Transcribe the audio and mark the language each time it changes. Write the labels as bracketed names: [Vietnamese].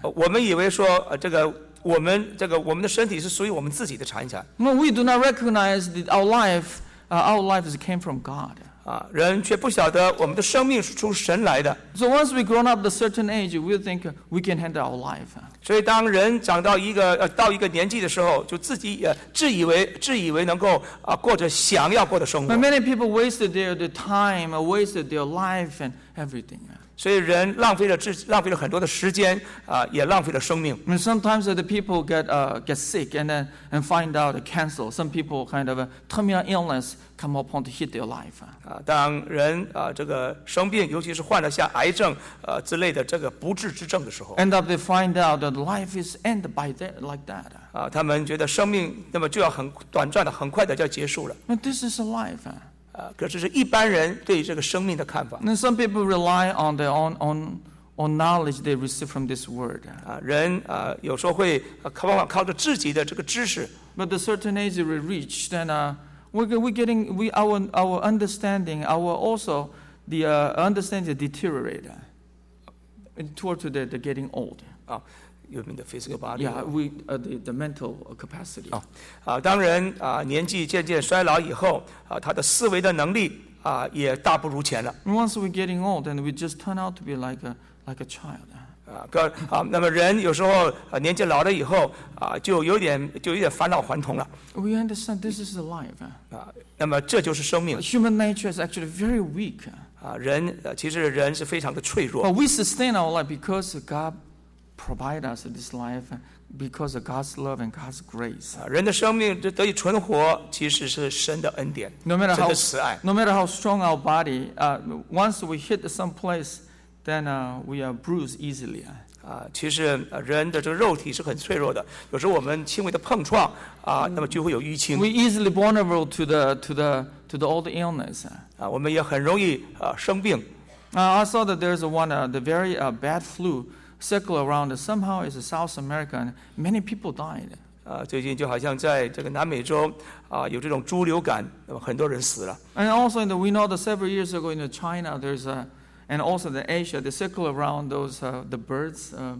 [Chinese] 我们以为说我们的身体是属于我们自己的产权。 [English] No, we do not recognize that our life is came from God. [Chinese] 人却不晓得我们的生命是从神来的。 [English] So once we grown up a certain age, we think we can handle our life. [Chinese] 所以当人长到一个年纪的时候，就自己自以为能够过着想要过的生活。 [English] But many people wasted their time, wasted their life and everything. [Chinese] 所以人浪费了很多的时间，也浪费了生命。 [English] And sometimes the people get sick and find out cancer. Some people kind of terminal illness. Come upon to hit their life. [Chinese] 当人这个生病，尤其是患了像癌症之类的这个不治之症的时候 [English] ，end up they find out that life is end by that like that. [Chinese] 他们觉得生命那么就要很短暂的，很快的就要结束了。 [English] But this is a life. [Chinese] 可是是一般人对这个生命的看法。 [English] And some people rely on their own knowledge they receive from this word. [Chinese] 人有时候会靠着自己的这个知识。 [English] But the certain age we reach, then our understanding, our also the understanding deteriorate toward the getting old. You mean the physical body? Yeah, the mental capacity. [Chinese] 当人年纪渐渐衰老以后，他的思维的能力也大不如前了。 [English] Once we're getting old, and we just turn out to be like a child. [Chinese] 那么人有时候年纪老了以后，就有点返老还童了。 [English] We understand this is life. [Chinese] 那么这就是生命。 [English] Human nature is actually very weak. [Chinese] 其实人是非常的脆弱。 [English] But we sustain our life because God. Provide us this life because of God's love and God's grace. [Chinese] 人的生命得以存活，其实是神的恩典，神的慈爱。 [English] No matter how strong our body, once we hit some place, then we are bruised easily. [Chinese] 其实人的这个肉体是很脆弱的，有时候我们轻微的碰撞那么就会有淤青。 [English] We easily vulnerable to the old illness. [Chinese] 我们也很容易生病。 [English] I saw that there's the very bad flu. Circle around somehow is South America. Many people died. [Chinese] 最近就好像在这个南美洲有这种猪流感，很多人死了。 [English] And also, we know that several years ago in China, there's a, and also the Asia, they circle around those the birds.